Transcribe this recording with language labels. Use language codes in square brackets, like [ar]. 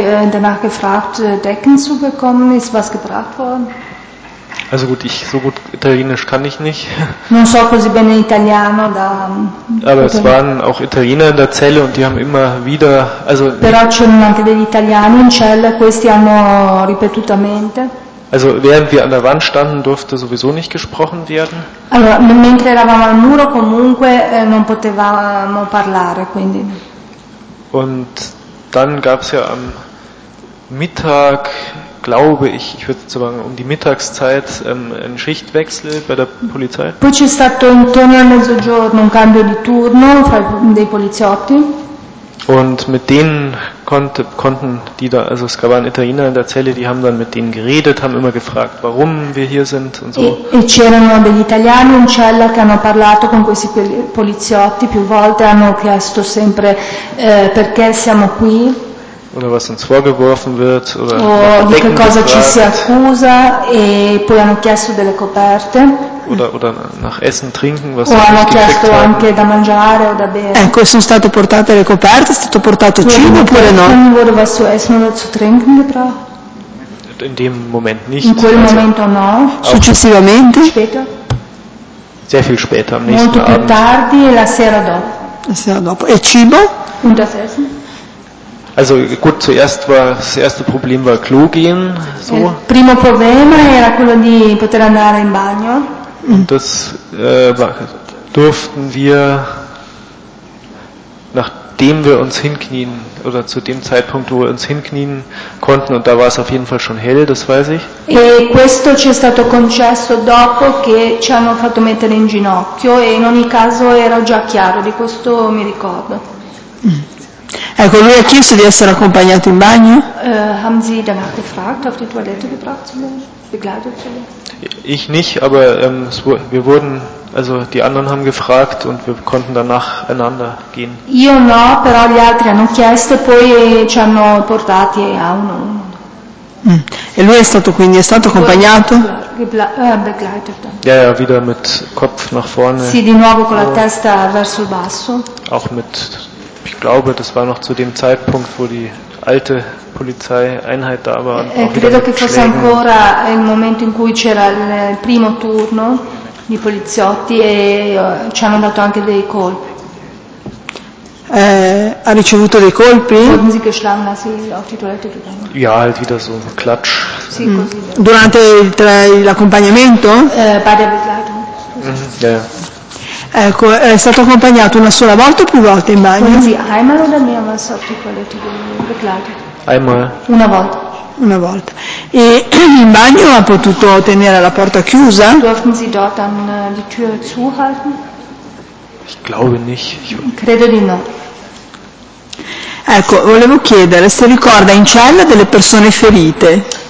[de] Danach gefragt, Decken zu bekommen, ist was gebracht worden? Also gut, ich so gut Italienisch kann ich nicht. [it] Non so così bene italiano da. [de] Aber es waren auch Italiener in der Zelle und die haben immer wieder, also. [it] Però c'erano anche degli italiani in cella, questi hanno ripetutamente. [de] Also während wir an der Wand standen, durfte sowieso nicht gesprochen werden. [it] Allora, mentre eravamo al muro comunque non potevamo parlare, quindi. [de] Und dann gab es ja am Mittag, glaube ich, ich würde sagen, um die Mittagszeit einen Schichtwechsel bei der Polizei. [it] Poi c'è stato intorno al mezzogiorno un cambio di turno fra dei poliziotti. [de] Und mit denen konnten die da, also es gab einen Italiener in der Zelle, die haben dann mit denen geredet, haben immer gefragt, warum wir hier sind und so. [it] E c'erano degli italiani in cella che hanno parlato con questi poliziotti più volte, hanno chiesto sempre perché siamo qui. [de] Oder was uns vorgeworfen wird oder [it] di che cosa ci si accusa, e poi hanno chiesto delle coperte. [de] Oder nach Essen, Trinken, was [it] o hanno chiesto anche da mangiare o da bere. Ecco, sono state portate le coperte, è stato portato cibo oppure no? Non [de] wurde was zu essen oder zu trinken gebracht? In dem Moment nicht. [it] In quel momento no. Successivamente? [de] Später. Sehr viel später, am nächsten Abend. [it] Molto più tardi e la sera dopo. La sera dopo. E cibo? [de] Und das Essen? Also gut, zuerst war das erste Problem war Klo gehen. So. [it] Il primo problema era quello di poter andare in bagno. [de] Und das durften wir, nachdem wir uns hinknien, oder zu dem Zeitpunkt, wo wir uns hinknien konnten, und da war es auf jeden Fall schon hell, das weiß ich. [it] E questo ci è stato concesso dopo che ci hanno fatto mettere in ginocchio, e in ogni caso era già chiaro, di questo mi ricordo. Ecco, lui ha chiesto di essere accompagnato in bagno? [de] Haben Sie danach gefragt, auf die Toilette gebracht zu werden, begleitet zu werden? Ich nicht, aber wir wurden, also die anderen haben gefragt und wir konnten danach einander gehen. [it] Io no, però gli altri hanno chiesto, poi ci hanno portati a uno. E lui è stato quindi, è stato accompagnato? [de] Begleitet. Ja, ja, wieder mit Kopf nach vorne. [it] Sì, di nuovo con la testa verso il basso. [de] Auch mit, ich glaube, das war noch zu dem Zeitpunkt, wo die alte Polizeieinheit da war. Und auch [it] credo che Fosse ancora il momento in cui c'era il primo turno di poliziotti e ci hanno dato anche dei colpi. Ha ricevuto dei colpi? [de] Wurden sie geschlagen, als sie auf die Toilette gegangen? Ja, halt wieder so ein Klatsch. [it] Sì, così. Durante l'accompagnamento? [de] Bei der Begleitung. Ja, ja. [it] Ecco, è stato accompagnato una sola volta o più volte in bagno? Sì, [de] einmal oder mehrmals auf die Toilette begleitet. Einmal. [it] Una volta. Una volta. E in bagno ha potuto tenere la porta chiusa? [de] Durften Sie dort dann die Tür zuhalten? Ich glaube nicht. [it] Credo di no. Ecco, volevo chiedere se ricorda in cella delle persone ferite.